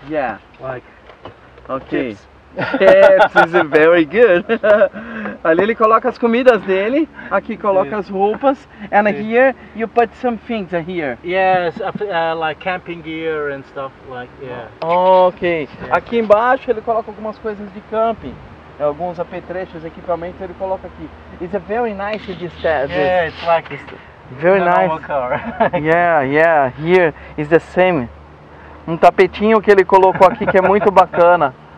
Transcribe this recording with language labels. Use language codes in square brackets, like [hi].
[en] Yeah. Like. Okay. Tips. Yes, this is very good. [pt] Ali ele coloca as comidas dele, aqui coloca as roupas, [en] and here you put some things here. Yes, like camping gear and stuff like, yeah. Okay, yeah. [pt] Aqui embaixo ele coloca algumas coisas de camping, alguns apetrechos, equipamentos ele coloca aqui. [en] It's a very nice this yeah, it's like it's very nice. Car. Yeah, yeah, here is the same. [pt] Um tapetinho que ele colocou aqui que é muito bacana.